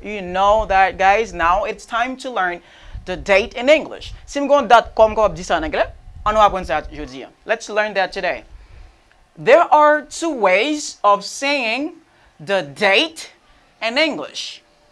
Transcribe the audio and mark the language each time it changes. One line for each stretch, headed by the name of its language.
English: You know that, guys, now it's time to learn the date in English.
French: Si nous avons date comme vous dites en anglais, nous apprenons ça aujourd'hui.
English: Let's learn that today. There are two ways of saying the date in English.